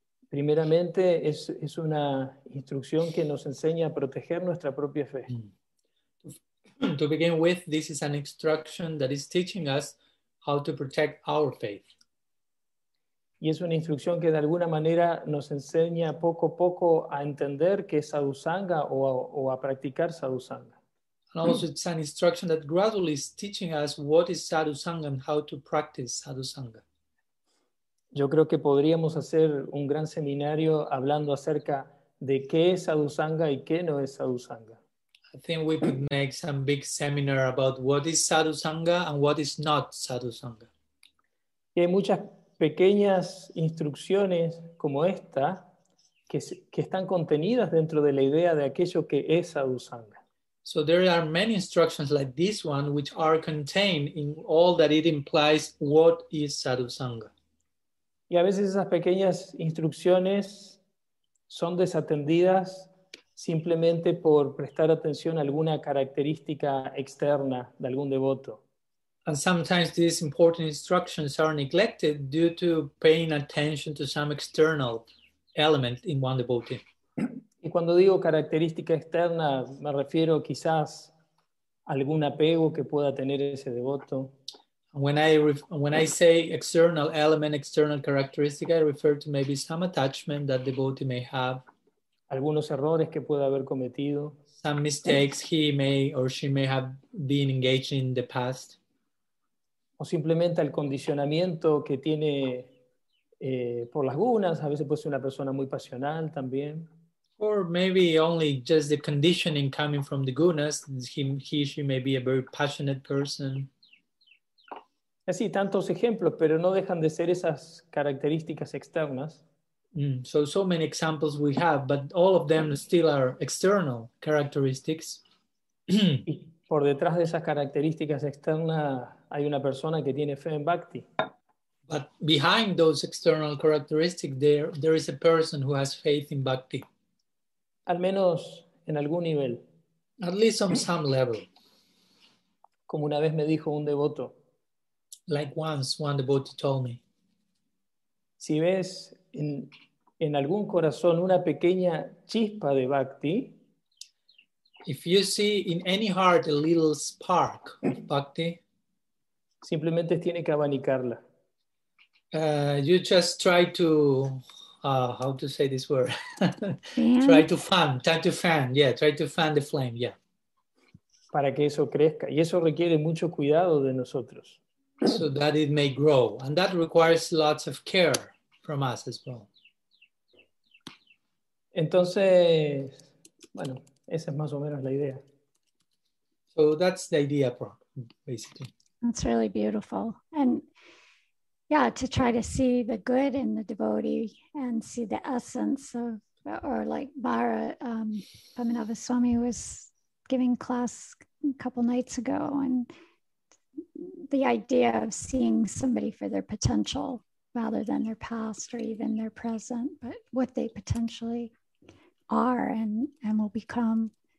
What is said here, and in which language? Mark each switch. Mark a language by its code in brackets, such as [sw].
[es] Primeramente, es una instrucción que nos enseña a proteger nuestra propia fe. [en] To begin with, this is an instruction that is teaching us how to protect our faith. [es] Y es una instrucción que de alguna manera nos enseña poco a poco a entender que es sadhusanga o a practicar sadhusanga. [en] And also it's an instruction that gradually is teaching us what is sadhusanga and how to practice sadhusanga. [es] Yo creo que podríamos hacer un gran seminario hablando acerca de qué es sadhusanga y qué no es sadhusanga. [en] I think we could make some big seminar about what is sadhusanga and what is not sadhusanga. [es] Y hay muchas pequeñas instrucciones como esta que están contenidas dentro de la idea de aquello que es sadhusanga. [en] So there are many instructions like this one which are contained in all that it implies what is sadhusanga. [es] Y a veces esas pequeñas instrucciones son desatendidas simplemente por prestar atención a alguna característica externa de algún devoto. [en] And sometimes these important instructions are neglected due to paying attention to some external element in one devotee. [es] Y cuando digo característica externa, me refiero quizás a algún apego que pueda tener ese devoto. [en] When I say external element, external characteristic, I refer to maybe some attachment that the devotee may have. [es] Algunos errores que pueda haber cometido. [en] Some mistakes he may or she may have been engaged in the past. [es] O simplemente el condicionamiento que tiene por las gunas. A veces puede ser una persona muy pasional también. [en] Or maybe only just the conditioning coming from the gunas. He or she may be a very passionate person. [es] Así, tantos ejemplos, pero no dejan de ser esas características externas. [en] So many examples we have, but all of them still are external characteristics. [es] Y por detrás de esas características externas hay una persona que tiene fe en Bhakti. [en] But behind those external characteristics, there is a person who has faith in Bhakti. [es] Al menos en algún nivel. [en] At least on some level. [es] Como una vez me dijo un devoto. [en] Like once one devotee told me. [es] Si ves en algún corazón una pequeña chispa de Bhakti. [en] If you see in any heart a little spark of Bhakti. [es] Simplemente tiene que abanicarla. [en] You just try to, how to say this word? try to fan the flame, yeah. [es] Para que eso crezca. Y eso requiere mucho cuidado de nosotros. [en] So that it may grow. And that requires lots of care from us as well. [es] Entonces, bueno, esa es más o menos la idea. [en] So that's the idea, probably. basically. That's really beautiful. And yeah, to try to see the good in the devotee and see the essence of, or like Bhara, Paminava Swami was giving class a couple nights ago, and the idea of seeing somebody for their potential rather than their past or even their present, but what they potentially are and will become.